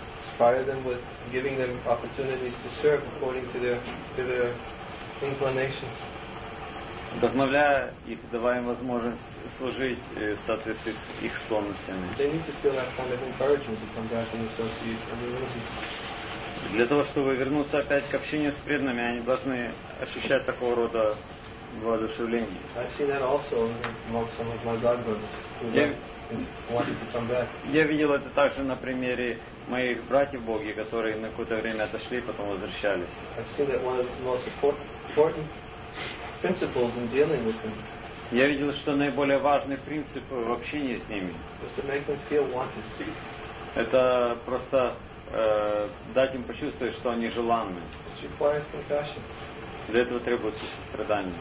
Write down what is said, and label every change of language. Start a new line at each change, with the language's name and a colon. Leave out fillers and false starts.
English: Inspire them with giving them opportunities to serve according to their inclinations.
Russian: Вдохновляя их, давая им возможность служить в соответствии с их склонностями.
English: They need to feel that kind of encouragement to come back and associate with the devotees.
Russian: Для того, чтобы вернуться опять к общению с преданными, они должны ощущать такого рода воодушевление.
English: I've seen that also among some of my god brothers who wanted to come back.
Russian: Я видел это также на примере моих братьев Боги, которые на какое-то время отошли и потом возвращались.
English: I've seen that one of the most important principles in dealing with them.
Russian: Я видел, что наиболее важный принцип в общении с ними.
English: Just to make them feel wanted.
Russian: Это просто дать им почувствовать, что они желанны.
English: It requires compassion.
Russian: Для этого требуется сострадание.